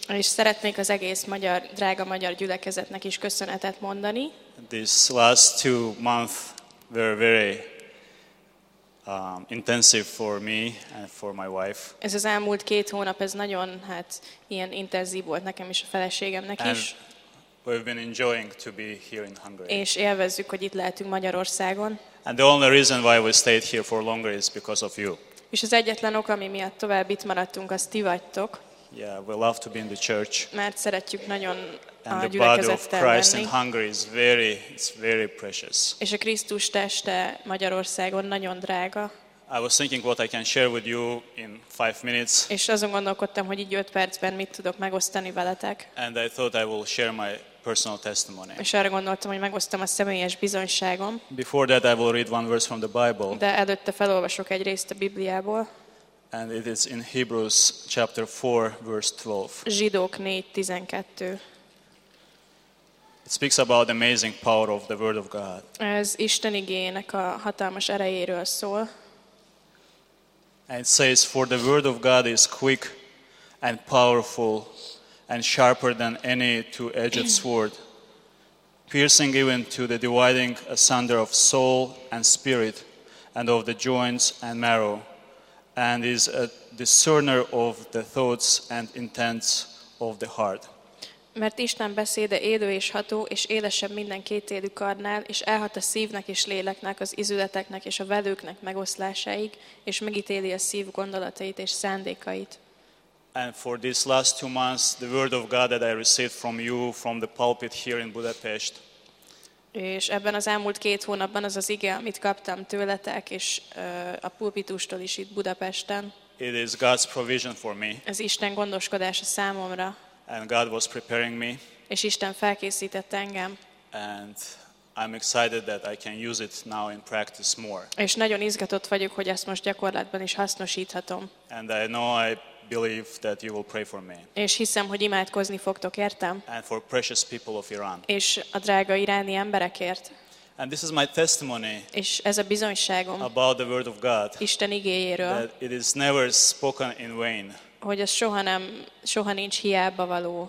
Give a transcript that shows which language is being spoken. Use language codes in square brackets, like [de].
[hu] És szeretnék az egész magyar, drága magyar gyülekezetnek is köszönetet mondani. [en] These last 2 months were very intensive for me and for my wife. [hu] Ez az elmúlt 2 hónap, ez nagyon, hát ilyen intenzív volt nekem is, a feleségemnek is. [en] We've been enjoying to be here in Hungary. [hu] És élvezzük, hogy itt lehetünk Magyarországon. [en] And the only reason why we stayed here for longer is because of you. [hu] És az egyetlen ok, ami miatt tovább itt maradtunk, az ti vagytok. [en] Yeah, we love to be in the church. [hu] Mert szeretjük nagyon a gyülekezettel lenni. [en] It's very precious. [hu] És a Krisztus teste Magyarországon nagyon drága. [en] I was thinking what I can share with you in 5 minutes. [hu] És azon gondolkodtam, hogy így 5 percben mit tudok megosztani veletek. [en] And I thought I will share my personal testimony. [hu] És arra gondoltam, hogy megosztom a személyes bizonyságom. [en] Before that I will read one verse from the Bible. [hu] De előtte felolvasok egy részt a Bibliából. [en] And it is in Hebrews chapter 4 verse 12. [hu] Zsidók 4:12. [en] It speaks about the amazing power of the word of God. [hu] Ez Isten igéjének a hatalmas erejéről szól. [en] And it says, for the word of God is quick and powerful and sharper than any two-edged sword, piercing even to the dividing asunder of soul and spirit and of the joints and marrow, and is a discerner of the thoughts and intents of the heart. [hu] Mert Isten beszéde élő és ható, és élesebb minden kétélű karnál, és elhat a szívnek és léleknek, az izületeknek és a velőknek megoszlásáig, és megítéli a szív gondolatait és szándékait. [en] And for these last 2 months, the word of God that I received from you, from the pulpit here in Budapest. [hu] És ebben az elmúlt 2 hónapban az az ige, amit kaptam tőletek, és a pulpitustól is itt Budapesten. [en] It is God's provision for me. [hu] Ez Isten gondoskodása számomra. [en] And God was preparing me. [hu] És Isten felkészítette engem. [en] And I'm excited that I can use it now in practice more. [hu] És nagyon izgatott vagyok, hogy ezt most gyakorlatban is hasznosíthatom. [en] And I know I believe that you will pray for me. [hu] És hiszem, hogy imádkozni fogtok értem. [en] And for precious people of Iran. [hu] És a drága iráni emberekért. [en] And this is my testimony. [hu] És ez a bizonyságom. [en] About the word of God. [hu] Isten igéjéről. [en] That it is never spoken in vain. [hu] Hogy ez soha nincs hiába való.